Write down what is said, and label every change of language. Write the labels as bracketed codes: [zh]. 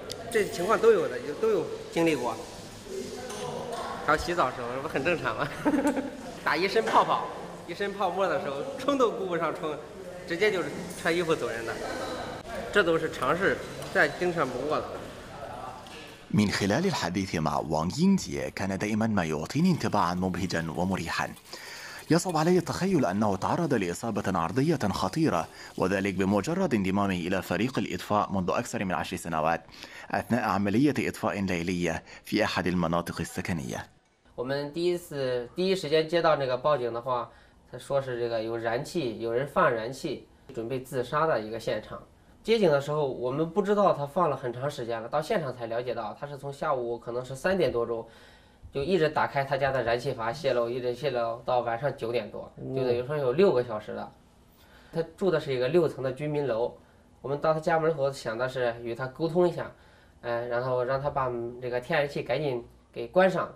[zh] 这情况都有的，就都有经历过。还有洗澡的时候，这不很正常吗？打一身泡泡，一身泡沫的时候，冲都顾不上冲，直接就是穿衣服走人的。这都是常事，再经常不过了。 [ar] من خلال الحديث مع وانغ ينجي كان دائما ما يعطيني انطباعا مبهجا ومريحا. يصعب علي التخيل أنه تعرض لإصابة عرضية خطيرة، وذلك بمجرد انضمامه إلى فريق الإطفاء منذ أكثر من 10 سنوات أثناء عملية إطفاء ليلية في أحد المناطق السكنية. [zh] 我们第一时间接到那个报警的话，他说是这个有燃气，有人放燃气，准备自杀的一个现场。接警的时候，我们不知道他放了很长时间了，到现场才了解到，他是从下午可能是3点多钟。就一直打开他家的燃气阀泄漏，一直泄漏到晚上9点多，就等于说有6个小时了。他住的是一个6层的居民楼，我们到他家门口想的是与他沟通一下，然后让他把这个天然气赶紧给关上。